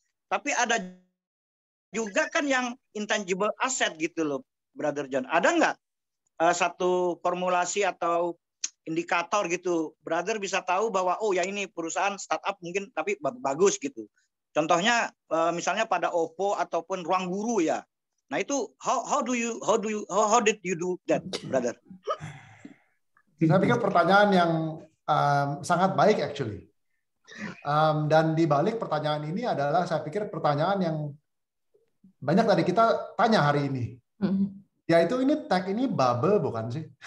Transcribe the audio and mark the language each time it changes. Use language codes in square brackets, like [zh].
[id] Tapi ada juga kan yang intangible asset gitu loh, Brother John. Ada nggak satu formulasi atau indikator gitu, Brother bisa tahu bahwa, oh ya ini perusahaan startup mungkin, tapi bagus gitu. Contohnya misalnya pada OVO ataupun Ruang Guru ya. Nah itu, [en] how did you do that, Brother? [id] Saya pikir pertanyaan yang sangat baik actually. Dan di balik pertanyaan ini adalah, saya pikir pertanyaan yang banyak dari kita tanya hari ini, yaitu ini tech ini bubble bukan sih?